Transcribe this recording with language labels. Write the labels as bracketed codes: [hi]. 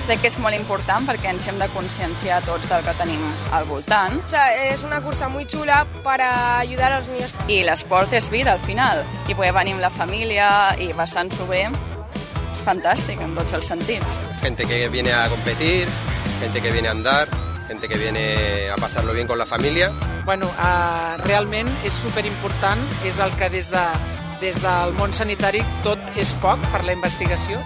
[ca] Crec que és molt important perquè ens hem de conscienciar tots del que tenim al voltant. [es] O sea, és una cursa muy chula para ayudar a los niños. [ca] I l'esport és vida al final. I poder venir amb la família i passant-s'ho bé. És fantàstic en tots els sentits. [es] Gente que viene a competir, gente que viene a andar, gente que viene a pasarlo bien con la familia. [ca] Bueno, realment és superimportant, és el que des del món sanitari tot és poc per la investigació.